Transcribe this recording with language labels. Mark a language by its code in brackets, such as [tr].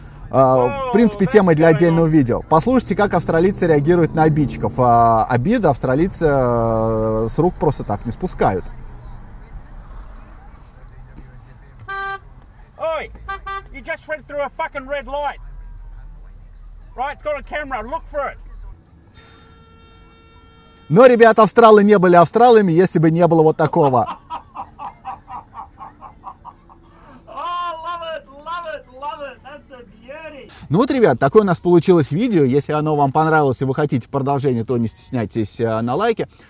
[ru] В принципе, тема для отдельного видео. Послушайте, как австралийцы реагируют на обидчиков. Обиды австралийцы с рук просто так не спускают. Ой, ты просто прошел через фукин ред лайт. [en] Right, it's got a camera, look for it. [ru] Но, ребят, австралы не были австралами, если бы не было вот такого. Ну вот, ребят, такое у нас получилось видео. Если оно вам понравилось и вы хотите продолжение, то не стесняйтесь на лайке.